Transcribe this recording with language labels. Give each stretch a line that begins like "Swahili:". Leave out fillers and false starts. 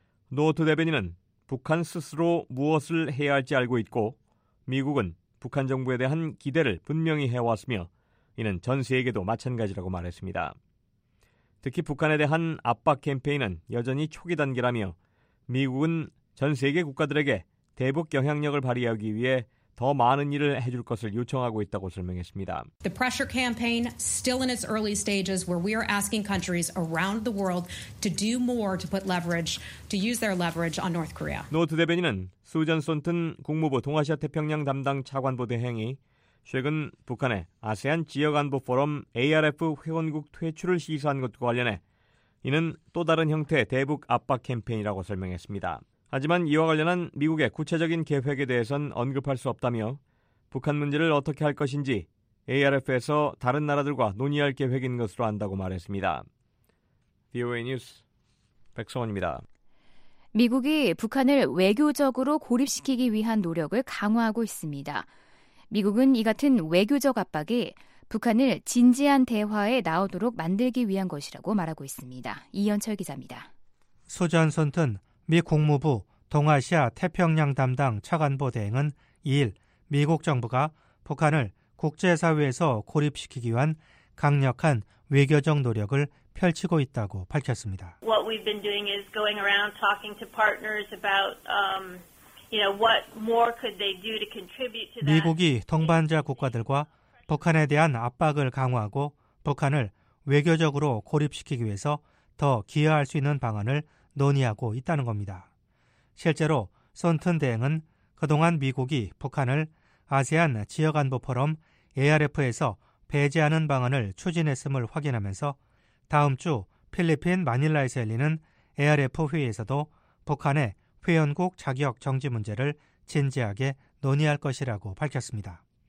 Korean: 노트 대변인은 북한 스스로 무엇을 해야 할지 알고 있고 미국은 북한 정부에 대한 기대를 분명히 해왔으며 이는 전 세계도 마찬가지라고 말했습니다. 특히 북한에 대한 압박 캠페인은 여전히 초기 단계라며 미국은 전 세계 국가들에게 대북 영향력을 발휘하기 위해 더 많은 일을 해줄 것을 요청하고 있다고 설명했습니다.
English: The pressure campaign still in its early stages where we are asking countries around the world to do more to put leverage, to use their leverage on North Korea.
Korean: 노트 대변인은 수전 손튼 국무부 동아시아 태평양 담당 차관보 대행이 최근 북한의 아세안 지역안보 포럼 ARF 회원국 퇴출을 시사한 것과 관련해 이는 또 다른 형태의 대북 압박 캠페인이라고 설명했습니다. 하지만 이와 관련한 미국의 구체적인 계획에 대해선 언급할 수 없다며 북한 문제를 어떻게 할 것인지 ARF에서 다른 나라들과 논의할 계획인 것으로 안다고 말했습니다. VOA 뉴스 백성원입니다. 미국이 북한을 외교적으로 고립시키기 위한 노력을 강화하고 있습니다. 미국은 이 같은 외교적 압박이 북한을 진지한 대화에 나오도록 만들기 위한 것이라고 말하고 있습니다. 이현철 기자입니다. 수전 선튼 미 국무부 동아시아 태평양 담당 차관보 대행은 2일 미국 정부가 북한을 국제사회에서 고립시키기 위한 강력한 외교적 노력을 펼치고 있다고 밝혔습니다.
English: What we've been doing is going around talking to partners about, you know, what more could they do to contribute to that.
Korean: 미국이 동반자 국가들과 북한에 대한 압박을 강화하고 북한을 외교적으로 고립시키기 위해서 더 기여할 수 있는 방안을 논의하고 있다는 겁니다. 실제로 손튼 대행은 그동안 미국이 북한을 아세안 지역안보 포럼 ARF에서 배제하는 방안을 추진했음을 확인하면서 다음 주 필리핀 마닐라에서 열리는 ARF 회의에서도 북한의 회원국 자격 정지 문제를 진지하게 논의할 것이라고 밝혔습니다.